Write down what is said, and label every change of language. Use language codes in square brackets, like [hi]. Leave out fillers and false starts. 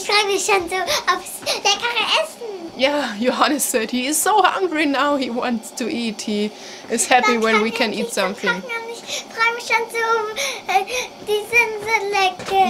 [de] Ich freue mich schon so aufs leckere Essen. [en] Ja, yeah, Johannes said he is so hungry now, he wants to eat. He is happy when we can eat something. [de] Ich freue mich schon so, die sind so lecker.